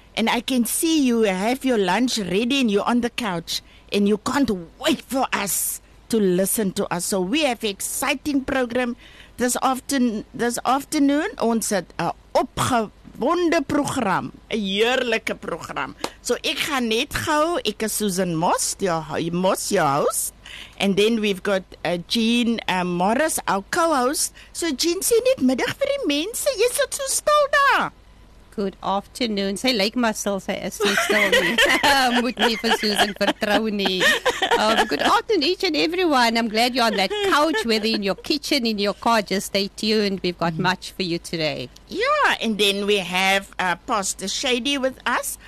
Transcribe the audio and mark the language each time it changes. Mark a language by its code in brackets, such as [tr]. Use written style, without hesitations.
[en] And I can see you have your lunch ready and you're on the couch. And you can't wait for us to listen to us. So we have an exciting program this afternoon. [af] Ons het 'n opgewonde program. 'N heerlijke program. So ek gaan net gauw. Ek is Susan Moss, [en] your host. And then we've got Jean Morris, our co-host. [af] So Jean, sê net middag vir die mense. Jy sit so stil daar. [en] Good afternoon. [af] Sy lyk maar stil, sy is so stil nie. Moet nie vir Susan vertrou nie. [en] Good afternoon each and everyone. I'm glad you're on that couch, whether in your kitchen, in your car. Just stay tuned. We've got much for you today. Yeah, and then we have Pastor Shady with us.